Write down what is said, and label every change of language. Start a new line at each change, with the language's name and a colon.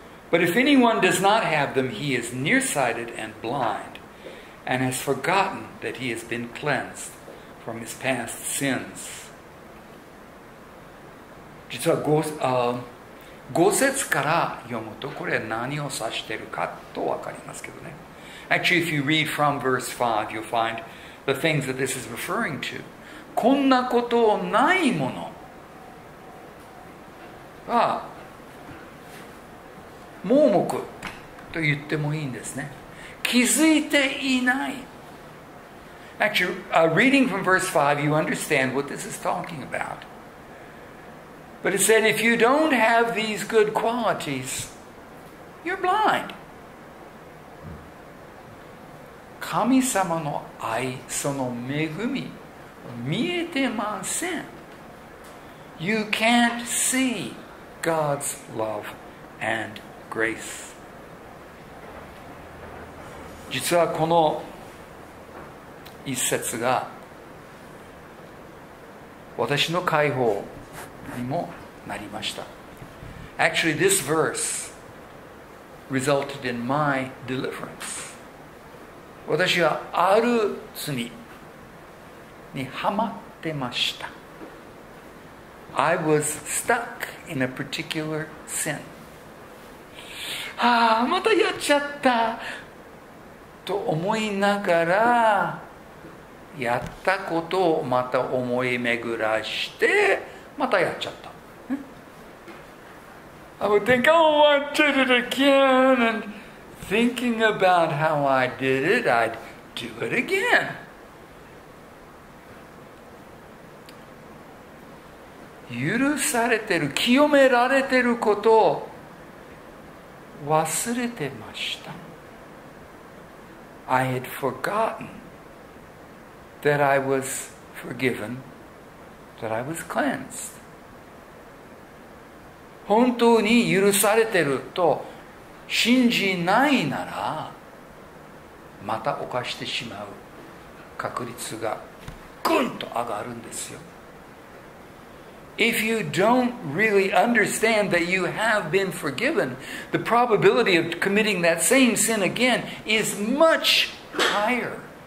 English: But if anyone does not have them, he is nearsighted and blind, and has forgotten that he has been cleansed from his past sins.
Japanese: 実は五節から読むとこれは何を指してるかと分かりますけどね。
English: Actually, if you read from verse 5, you'll find the things that this is referring to.
Japanese: こんなことをないものは盲目と言ってもいいんですね。気づいていない。
English: Actually, reading from verse 5, you understand what this is talking about. But it said, if you don't have these good qualities, you're blind.
Japanese: 神様の愛、その恵み、見えてません。
English: You can't see God's love and grace.
Japanese: 実はこの一節が私の解放にもなりました。
English: Actually, this verse resulted in my deliverance.
Japanese: 私はある罪にはまってました。
English: I was stuck in a particular sin.
Japanese: ああ、またやっちゃったと思いながら、やったことをまた思い巡らして、またやっちゃった。
English: I would think, oh, I did it again. And thinking about how I did it, I'd do it again.
Japanese: 許されてる、清められてることを忘れてました。
English: I had forgotten that I was forgiven, that I was cleansed.
Japanese: 本当に許されてると信じないなら、また犯してしまう確率がぐんと上がるんですよ。
English: If you don't really understand that you have been forgiven, the probability of committing that same sin again is much higher.